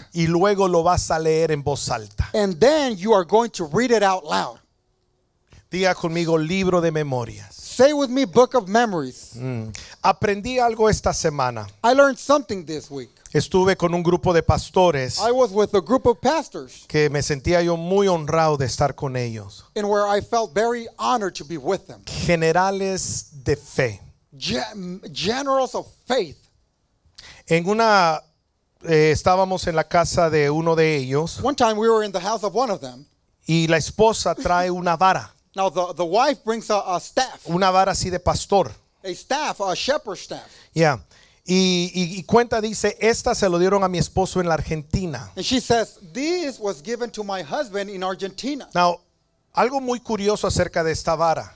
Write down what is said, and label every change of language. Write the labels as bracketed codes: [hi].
[es] Y luego lo vas a leer en voz alta. [en] And then you are going to read it out loud. [es] Diga conmigo, libro de memorias. [en] Say with me, book of memories. [es] Aprendí algo esta semana. [en] I learned something this week. [es] Estuve con un grupo de pastores. [en] I was with a group of pastors. [es] Que me sentía yo muy honrado de estar con ellos. [en] And where I felt very honored to be with them. [es] Generales de fe. [en] Generals of faith. [es] En una... estábamos en la casa de uno de ellos. [en] One time we were in the house of one of them. [es] Y la esposa trae una vara. [en] Now the wife brings a staff. [es] Una vara así de pastor. [en] A staff, a shepherd's staff. Yeah. [es] Y cuenta, dice, esta se lo dieron a mi esposo en la Argentina. [en] And she says, this was given to my husband in Argentina. [es] Now, algo muy curioso acerca de esta vara.